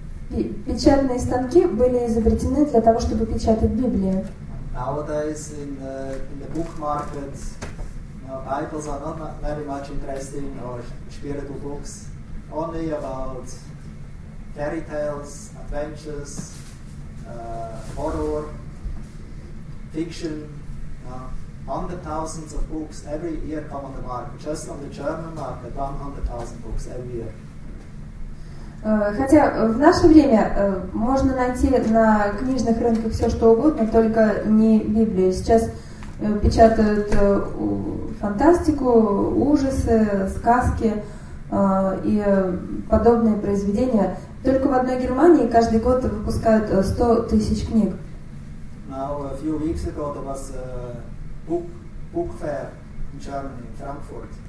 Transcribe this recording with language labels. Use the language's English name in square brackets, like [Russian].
[Russian] И печатные станки были изобретены для того, чтобы печатать Библию. [English] Nowadays in the book market, Bibles are not very much interesting or spiritual books, only about fairy tales, adventures, horror, fiction. 100,000 of books every year come on the market. Just on the German market, 100,000 books every year. [Russian] Хотя в наше время можно найти на книжных рынках все что угодно, только не Библию. Сейчас печатают фантастику, ужасы, сказки и подобные произведения. Только в одной Германии каждый год выпускают 100 тысяч книг. [English] Now a few weeks ago there was a book fair in Germany, Frankfurt.